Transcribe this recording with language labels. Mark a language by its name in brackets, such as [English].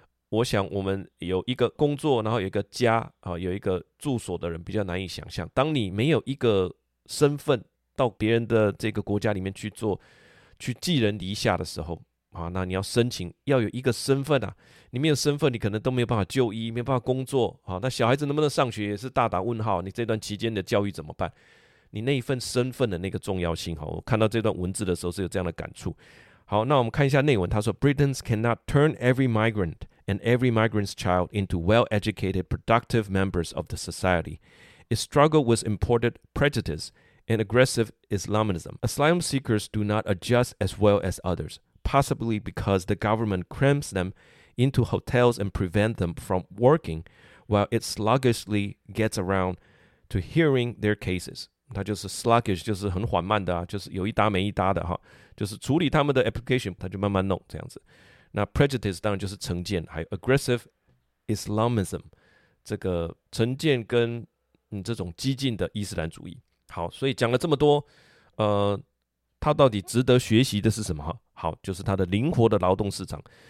[Chinese] 我想我们有一个工作，然后有一个家有一个住所的人比较难以想象，当你没有一个身份到别人的这个国家里面去做，去寄人篱下的时候那你要申请要有一个身份啊，你没有身份你可能都没有办法就医，没有办法工作那小孩子能不能上学也是大打问号，你这段期间的教育怎么办，你那一份身份的那个重要性，我看到这段文字的时候是有这样的感触。好，那我们看一下内文，他说 [English] Britons cannot turn every migrant and every migrant's child into well-educated productive members of the society. It struggled with imported prejudice and aggressive Islamism. Asylum seekers do not adjust as well as others, possibly because the government crams them into hotels and prevent them from working while it sluggishly gets around to hearing their cases. [Chinese] 他就是 sluggish, 就是很缓慢的就是有一搭没一搭的就是处理他们的 application, 他就慢慢弄这样子。那 prejudice 当然就是成见，还有 aggressive Islamism, 这个成见跟这种激进的伊斯兰主义。好，所以讲了这么多他到底值得学习的是什么，好，就是他的灵活的劳动市场。